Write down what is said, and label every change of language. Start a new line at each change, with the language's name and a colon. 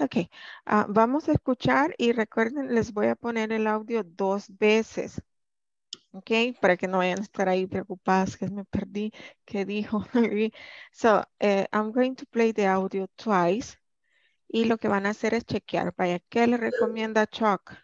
Spanish: Ok, vamos a escuchar y recuerden, les voy a poner el audio dos veces. Ok, para que no vayan a estar ahí preocupadas que me perdí, ¿qué dijo?
English: So, I'm going to play the audio twice.
Spanish: Y lo que van a hacer es chequear, vaya, ¿qué le recomienda Chuck?